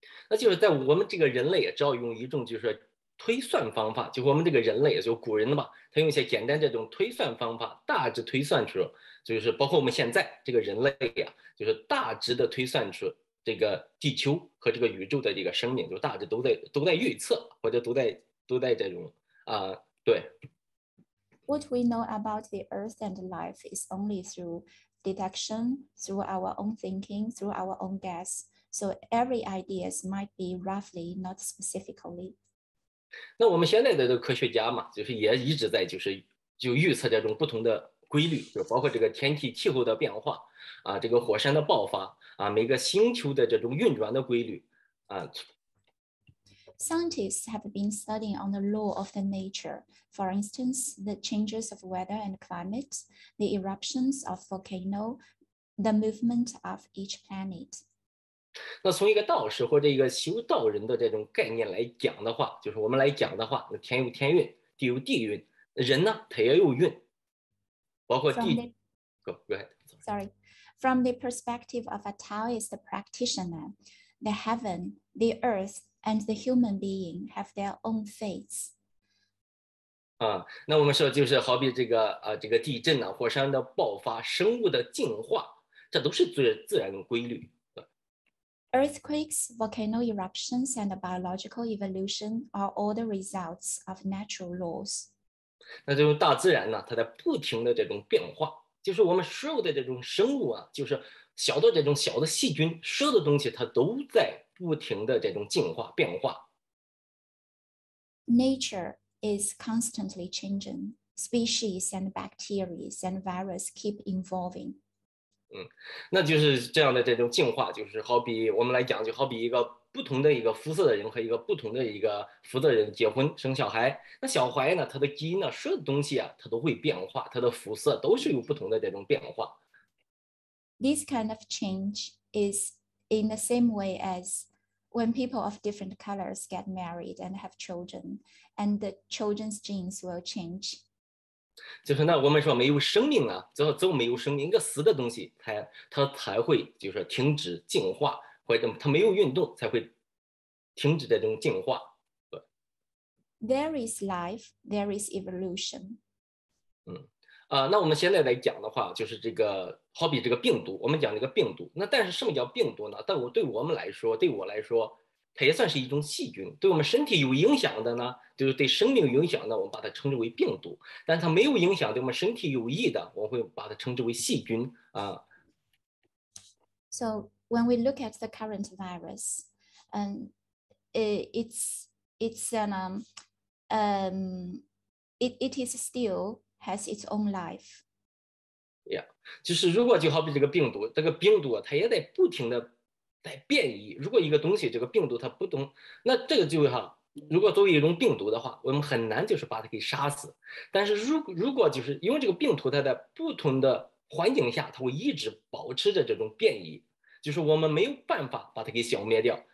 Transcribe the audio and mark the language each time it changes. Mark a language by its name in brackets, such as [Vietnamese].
[Chinese] 那就是在我们这个人类只要用一种就是推算方法，就我们这个人类就古人的嘛，他用一些简单这种推算方法大致推算出，就是包括我们现在这个人类就是大致的推算出这个地球和这个宇宙的这个生命，就大致都在预测，或者都在这种 [English] What we know about the earth and life is only through detection, through our own thinking, through our own guess. So every ideas might be roughly, not specifically. [Chinese] 那我们现在的这个科学家嘛，就是也一直在就是就预测这种不同的规律，就包括这个天气气候的变化啊，这个火山的爆发啊，每个星球的这种运转的规律啊。 [English] Scientists have been studying on the law of the nature. For instance, the changes of weather and climate, the eruptions of volcano, the movement of each planet. [Chinese] 那从一个道士或者一个修道人的这种概念来讲的话，就是我们来讲的话，天有天运，地有地运，人呢，他也有运，包括地。 [English] Sorry. From the perspective of a Taoist practitioner, the heaven, the earth,and the human being have their own fates. [Chinese] 那我们说就是好比这个这个地震啊，火山的爆发，生物的进化，这都是自然规律。 [English] Earthquakes, volcano eruptions, and biological evolution are all the results of natural laws. [Chinese] 那这种大自然呢，它在不停的这种变化，就是我们所有的这种生物啊，就是小的这种小的细菌，所有的东西它都在不停的这种进化变化。 [English] Nature is constantly changing. Species and bacteria and virus keep evolving. [Chinese] 那就是这样的这种进化，就是好比我们来讲，就好比一个不同的一个肤色的人和一个不同的一个肤色的人结婚生小孩，那小孩呢，他的基因呢，所有东西啊，它都会变化，他的肤色都是有不同的这种变化。 [English] This kind of change is. In the same way as when people of different colors get married and have children, and the children's genes will change. [Chinese] 就是那我们说没有生命啊，只有没有生命，一个死的东西它才会就是停止进化，或者它没有运动才会停止这种进化。 [English] There is life, there is evolution. [Chinese] 那我们现在来讲的话，就是这个好比这个病毒，我们讲这个病毒。那但是什么叫病毒呢？对我来说，它也算是一种细菌。对我们身体有影响的呢，就是对生命有影响的，我们把它称之为病毒。但它没有影响，对我们身体有益的，我会把它称之为细菌啊。 [English] So when we look at the current virus, it is still. Has its own life. [Chinese] Yeah, 就是如果就好比这个病毒，这个病毒它也在不停的在变异。如果一个东西这个病毒它不懂，那这个就哈，如果作为一种病毒的话，我们很难就是把它给杀死。但是如果就是因为这个病毒它在不同的环境下，它会一直保持着这种变异，就是我们没有办法把它给消灭掉。